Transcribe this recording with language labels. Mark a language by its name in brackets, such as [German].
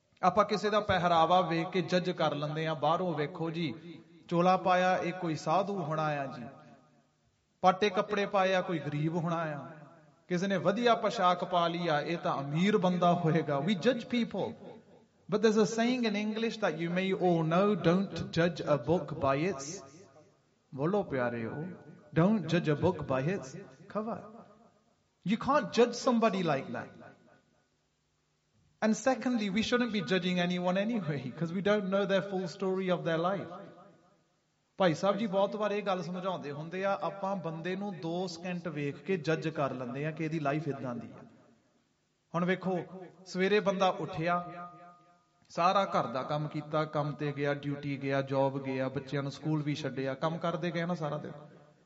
[Punjabi] ਆਪਾਂ ਕਿਸੇ ਦਾ ਪਹਿਰਾਵਾ ਵੇਖ ਕੇ ਜੱਜ ਕਰ ਲੈਂਦੇ ਆ ਬਾਹਰੋਂ ਵੇਖੋ ਜੀ ਚੋਲਾ ਪਾਇਆ ਇਹ ਕੋਈ ਸਾਧੂ ਹੋਣਾ ਆ ਜੀ ਪਾਟੇ ਕੱਪੜੇ ਪਾਏ ਆ ਕੋਈ ਗਰੀਬ ਹੋਣਾ ਆ ਕਿਸੇ ਨੇ ਵਧੀਆ ਪੋਸ਼ਾਕ ਪਾ ਲਈ ਆ ਇਹ ਤਾਂ ਅਮੀਰ ਬੰਦਾ ਹੋਏਗਾ ਵੀ [English] ਜੱਜ people but there is a saying in English that you may all no don't ਜੱਜ ਅ book by it's [Punjabi] Bolo pyare ho, [English] don't judge a book by its cover. You can't judge somebody like that. And secondly, we shouldn't be judging anyone anyway, because we don't know their full story of their life. [Punjabi] Bhai Sahib ji ਬਹੁਤ ਵਾਰ ਇਹ ਗੱਲ ਸਮਝਾਉਂਦੇ ਹੁੰਦੇ ਆ, ਆਪਾਂ ਬੰਦੇ ਨੂੰ 2 second ਵੇਖ ਕੇ ਜੱਜ ਕਰ ਲੈਂਦੇ ਆ ਕਿ ਇਹਦੀ ਲਾਈਫ ਇਦਾਂ ਦੀ ਆ। ਹੁਣ ਵੇਖੋ, ਸਵੇਰੇ ਬੰਦਾ ਉੱਠਿਆ, ਸਾਰਾ ਘਰ ਦਾ ਕੰਮ ਕੀਤਾ, ਕੰਮ ਤੇ ਗਿਆ, ਡਿਊਟੀ ਗਿਆ, ਜੌਬ ਗਿਆ, ਬੱਚਿਆਂ ਨੂੰ ਸਕੂਲ ਵੀ ਛੱਡਿਆ, ਕੰਮ ਕਰਦੇ ਗਏ ਨਾ ਸਾਰਾ ਦਿਨ।